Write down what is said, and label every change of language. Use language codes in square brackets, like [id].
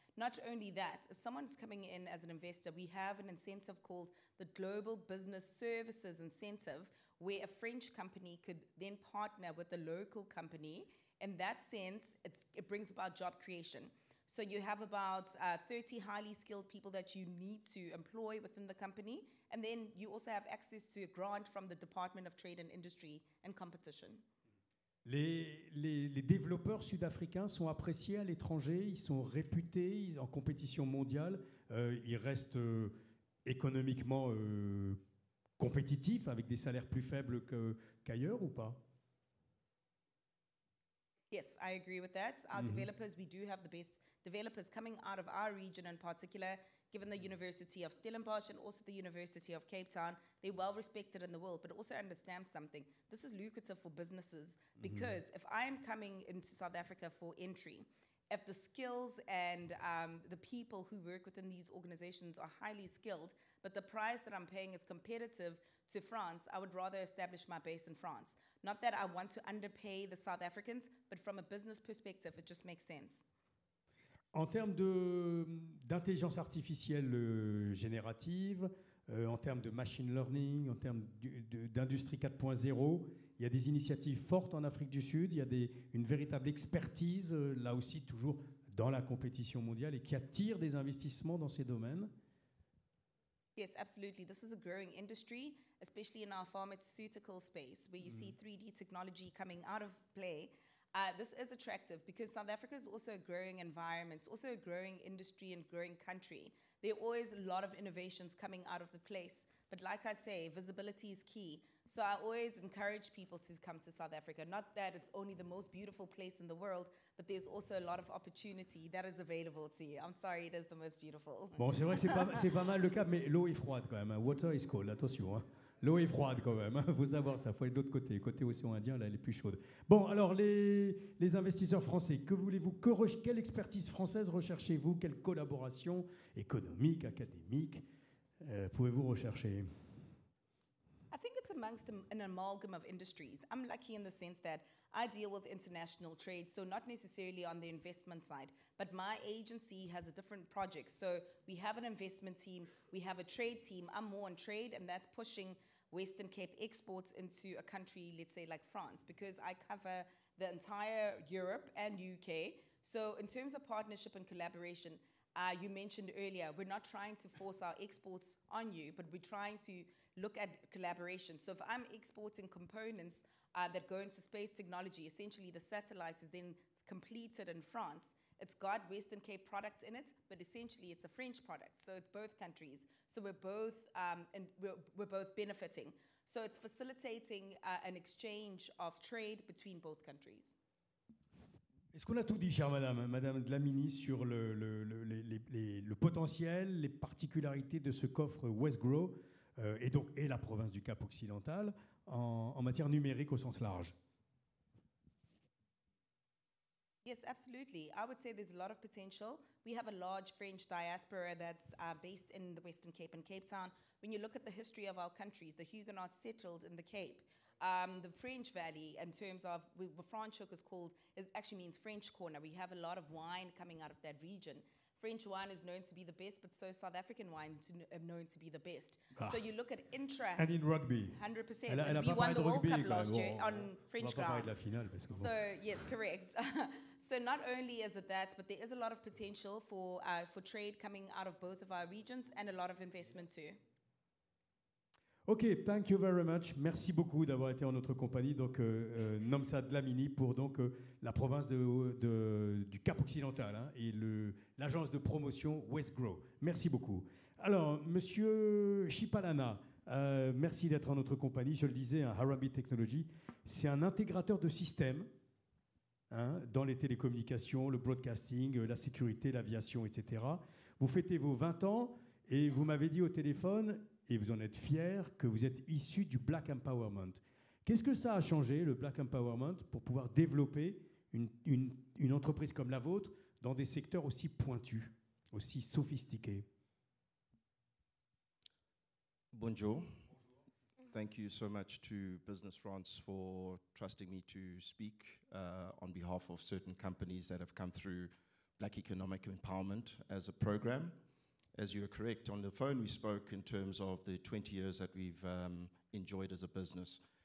[en] Not only that, if someone's coming in as an investor, we have an incentive called the Global Business Services Incentive, where a French company could then partner with a local company. In that sense, it brings about job creation. So you have about 30 highly skilled people that you need to employ within the company, and then you also have access to a grant from the Department of Trade and Industry and Competition. [fr] Les développeurs sud-africains sont appréciés à l'étranger, ils sont réputés en compétition mondiale, ils restent économiquement compétitifs avec des salaires plus faibles qu'ailleurs ou pas? [en] Yes, I agree with that. Our developers, we do have the best developers coming out of our region in particular, given the University of Stellenbosch and also the University of Cape Town. They're well respected in the world, but also understand something. This is lucrative for businesses because if I am coming into South Africa for entry, if the skills and the people who work within these organizations are highly skilled, but the price that I'm paying is competitive to France, I would rather establish my base in France. Not that I want to underpay the South Africans, but from a business perspective, it just makes sense. [fr] En termes d'intelligence artificielle générative, en termes de machine learning, en termes d'industrie 4.0, il y a des initiatives fortes en Afrique du Sud, il y a une véritable expertise, là aussi toujours dans la compétition mondiale et qui attire des investissements dans ces domaines. [en] Yes, absolutely. This is a growing industry, especially in our pharmaceutical space, where you see 3D technology coming out of play. This is attractive because South Africa is also a growing environment, it's also a growing industry and growing country. There are always a lot of innovations coming out of the place. But like I say, visibility is key. So I always encourage people to come to South Africa. Not that it's only the most beautiful place in the world, but there's also a lot of opportunity that is available to you. I'm sorry, it is the most beautiful. [fr] Bon, c'est vrai que c'est pas mal le cas, mais l'eau est froide quand même. Hein. [en] Water is cold, attention. Hein. [fr] L'eau est froide quand même. Hein. Faut savoir ça, faut aller de l'autre côté. Côté océan Indien, là, elle est plus chaude. Bon, alors, les investisseurs français, que voulez-vous? Quelle expertise française recherchez-vous? Quelle collaboration économique, académique pouvez-vous rechercher? [en] I think it's amongst an amalgam of industries. I'm lucky in the sense that I deal with international trade, so not necessarily on the investment side, but my agency has a different project. So we have an investment team, we have a trade team. I'm more on trade, and that's pushing Western Cape exports into a country, let's say like France, because I cover the entire Europe and UK. So in terms of partnership and collaboration, you mentioned earlier, we're not trying to force our exports on you, but we're trying to look at collaboration. So if I'm exporting components that go into space technology, essentially the satellite is then completed in France. It's got Western Cape products in it, but essentially it's a French product. So it's both countries. So we're both and we're both benefiting. So it's facilitating an exchange of trade between both countries. [fr] Est-ce qu'on a tout dit, chère madame, madame de la ministre, sur le potentiel, les particularités de ce qu'offre Westgrow et la province du Cap Occidental en matière numérique au sens large? [en] Yes, absolutely. I would say there's a lot of potential. We have a large French diaspora that's based in the Western Cape and Cape Town. When you look at the history of our countries, the Huguenots settled in the Cape. The French Valley, in terms of what Franschhoek is called, it actually means French Corner. We have a lot of wine coming out of that region. French wine is known to be the best, but so is South African wine known to be the best. Ah. So you look at intra... And in rugby. 100%. And we won the World rugby, Cup last year on French ground. [fr] La finale, [en] so, yes, correct. So not only is it that, but there is a lot of potential for trade coming out of both of our regions and a lot of investment too. Ok, thank you very much. [fr] Merci beaucoup d'avoir été en notre compagnie. Donc, Nomsa Dlamini pour donc, la province du Cap Occidental hein, et l'agence de promotion Westgrow. Merci beaucoup. Alors, monsieur Chipalana, merci d'être en notre compagnie. Je le disais, hein, Harambee Technology, c'est un intégrateur de systèmes hein, dans les télécommunications, le broadcasting, la sécurité, l'aviation, etc. Vous fêtez vos 20 ans et vous m'avez dit au téléphone... Et vous en êtes fier que vous êtes issu du Black Empowerment. Qu'est-ce que ça a changé, le Black Empowerment, pour pouvoir développer une entreprise comme la vôtre dans des secteurs aussi pointus, aussi sophistiqués? Bonjour. [en] Thank you so much to Business France for trusting me to speak on behalf of certain companies that have come through Black Economic Empowerment as a program. As you are correct, on the phone we spoke in terms of the 20 years that we've enjoyed as a business.